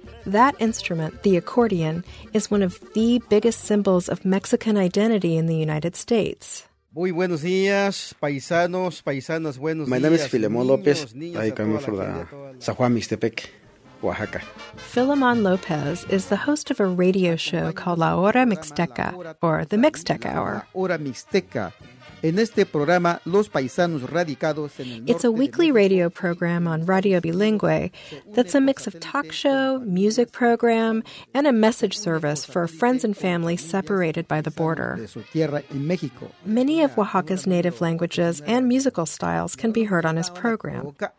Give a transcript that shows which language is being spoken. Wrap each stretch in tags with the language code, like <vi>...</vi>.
<en>That instrument, the accordion, is one of the biggest symbols of Mexican identity in the United States.</en> <es>Muy buenos días, paisanos, paisanas, buenos días.</es> <en>My name is Filemón López. I come from San Juan Mixtepec, Oaxaca. Filemón López is the host of a radio show called La Hora Mixteca, or The Mixtec Hour.</en> <es>Hora Mixteca. En este programa, los paisanos radicados en el norte.</es> <en>It's a weekly radio program on Radio Bilingüe that's a mix of talk show, music program, and a message service for friends and family separated by the border. Many of Oaxaca's native languages and musical styles can be heard on his program.</en>